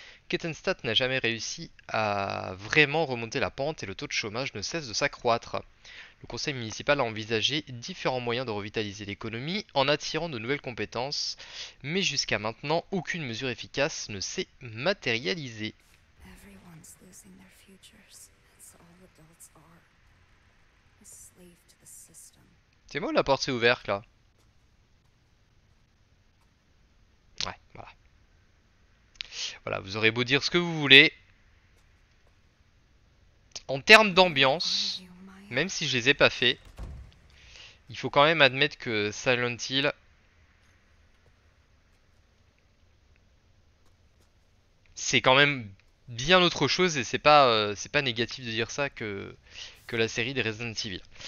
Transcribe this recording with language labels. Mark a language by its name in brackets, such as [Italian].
[French] Kettenstadt n'a jamais réussi à vraiment remonter la pente et le taux de chômage ne cesse de s'accroître. Le conseil municipal a envisagé différents moyens de revitaliser l'économie en attirant de nouvelles compétences, mais jusqu'à maintenant, aucune mesure efficace ne s'est matérialisée. [English] Everyone's losing their futures. That's all adults are. A slave to the system. [French] C'est moi, la porte s'est ouverte là. Ouais, voilà. Voilà, vous aurez beau dire ce que vous voulez. En termes d'ambiance, même si je les ai pas fait, il faut quand même admettre que Silent Hill, c'est quand même bien autre chose et c'est pas négatif de dire ça que la série des Resident Evil.